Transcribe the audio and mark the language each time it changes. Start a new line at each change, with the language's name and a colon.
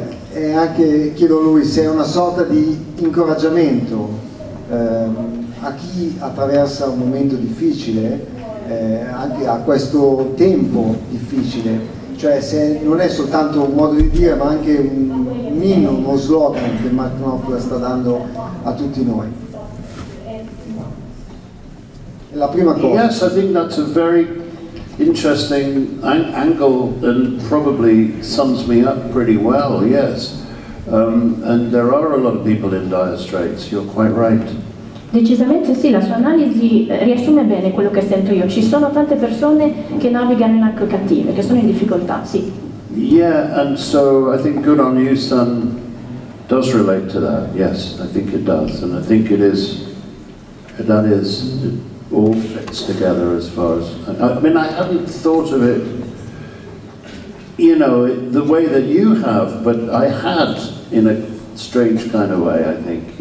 Italian: E anche, chiedo a lui, se è una sorta di incoraggiamento a chi attraversa un momento difficile, anche a questo tempo difficile. Cioè, se non è soltanto un modo di dire, ma anche un inno, uno slogan che Mark Knopfler sta dando a tutti noi. È la prima cosa.
English: Yes, I think that's a very interesting angle and probably sums me up pretty well, yes. And there are a lot of people in dire straits, you're quite right.
Italian: Decisamente sì, la sua analisi riassume bene quello che sento io. Ci sono tante persone che navigano in acque cattive, che sono in difficoltà, sì.
English: Yeah, and so I think Good On You, Son does relate to that. Yes, I think it does, and I think it is. That is, it all fits together as far as. I mean, I hadn't thought of it, you know, the way that you have, but I had in a strange kind of way, I think.